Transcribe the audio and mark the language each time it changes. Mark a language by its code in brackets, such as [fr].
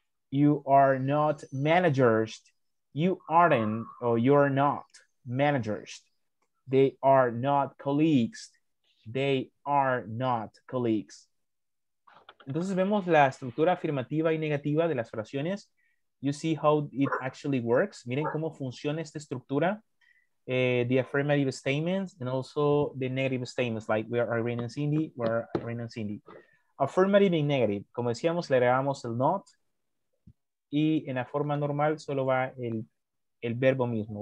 [en] You are not managers. You aren't or you're not managers. They are not colleagues. They are not colleagues. [es] Entonces vemos la estructura afirmativa y negativa de las oraciones. [en] You see how it actually works. [es] Miren cómo funciona esta estructura. [en] The affirmative statements and also the negative statements like we are Irene and Cindy, we are Irene and Cindy. Affirmative and negative. [es] Como decíamos, le agregamos el not. Y en la forma normal solo va el verbo mismo.